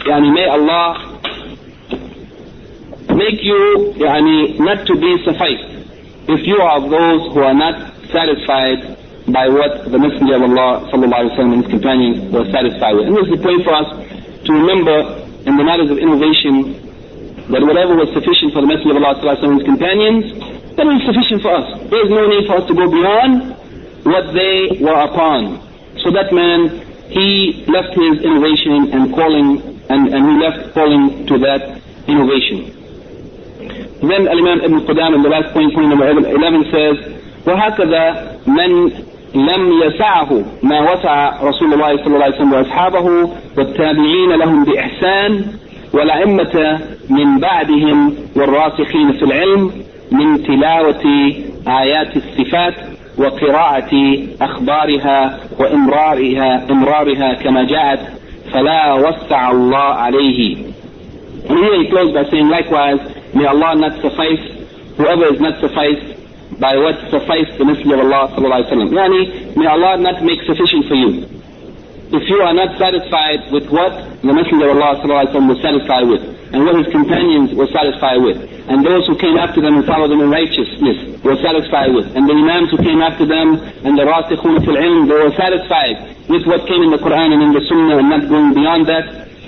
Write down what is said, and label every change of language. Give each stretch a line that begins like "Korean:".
English: Yani may Allah make you, yani, not to be sufficed if you are of those who are not satisfied by what the Messenger of Allah sallallahu alayhi wa sallam, and his companions were satisfied with. And this is the point for us to remember in the matters of innovation, that whatever was sufficient for the Messenger of Allah sallallahu alayhi wa sallam, and his companions, that was sufficient for us. There is no need for us to go beyond what they were upon. So that man, he left his innovation and calling, and he left calling to that innovation. Then Al-Imam Ibn Qudam, in the last point, point number 11, says,
Arabic: وَهَكَذَا مَنْ لَمْ يَسَعَهُ مَا وَسَعَ رَسُولُ اللَّهِ صَلَّى اللَّهِ وَسَلَّمُ وَأَصْحَابَهُ وَالتَّابِعِينَ لَهُمْ بِإِحْسَانِ وَلَعِمَّةَ مِنْ بَعْدِهِمْ وَالرَّاسِخِينَ فِي الْعِلْمِ مِنْ تِلَاوَةِ آيَاتِ الصِّفَاتِ وقراءة أخبارها وإمرارها كما جاءت فلا وسع الله عليه.
English: And here he closed by saying, likewise, may Allah not suffice whoever is not sufficed by what sufficed the Messenger of Allah صلى الله عليه وسلم. Yani, may Allah not make sufficient for you. If you are not satisfied with what the Messenger of Allah صلى الله عليه وسلم was satisfied with, and what his companions were satisfied with, and those who came after them and followed them in righteousness were satisfied with, and the imams who came after them, and the rasikhun fil ilm, they were satisfied with what came in the Quran and in the Sunnah and not going beyond that.